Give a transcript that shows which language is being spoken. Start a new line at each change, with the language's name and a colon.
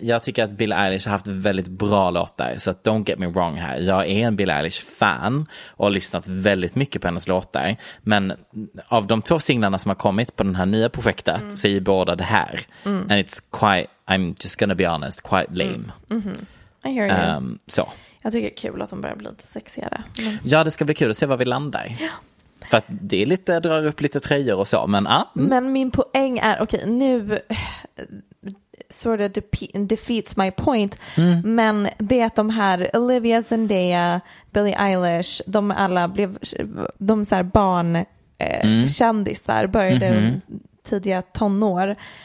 Swedish: Jag tycker att Billie Eilish har haft väldigt bra låtar, så
English: don't get me wrong
Swedish: här. Jag är en Billie Eilish-fan och har lyssnat väldigt mycket på hennes låtar. Men av de två singlarna som har kommit på det här nya projektet så är ju båda det här. Mm.
English: And it's quite, I'm just gonna be honest, quite lame. I hear you. So.
Swedish: Jag tycker det är kul att de börjar bli lite sexigare. Ja, det ska bli kul att se var vi landar.
English: Yeah.
Swedish: För att det är lite, drar upp lite tröjor och så. Men, men min poäng är, okej, nu
English: sort of defeats my point.
Swedish: Mm. Men det är att de här Olivia, Zendaya, Billie Eilish, de alla blev de så här barnkändisar, började tidiga tonår.